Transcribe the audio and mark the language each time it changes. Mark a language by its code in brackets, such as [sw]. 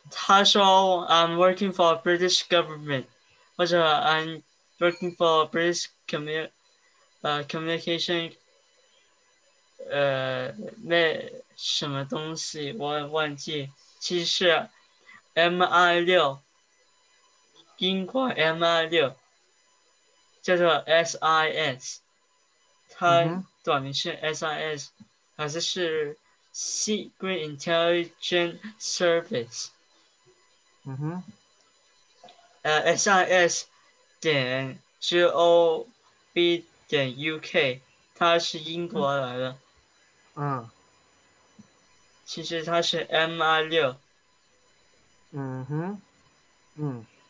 [zh] 他说 [en] "I'm working for British government"， [zh] 或者 [en] "I'm working for British communication"。 [zh] 那什么东西我忘记，其实是 MI6，英国 MI6 叫做 SIS，它嗯短名是 SIS，好像是 Secret Intelligence Service，哼，嗯哼， SIS 点 GOV 点 UK，它是英国来的。其实它是 MI6，嗯，嗯哼，嗯，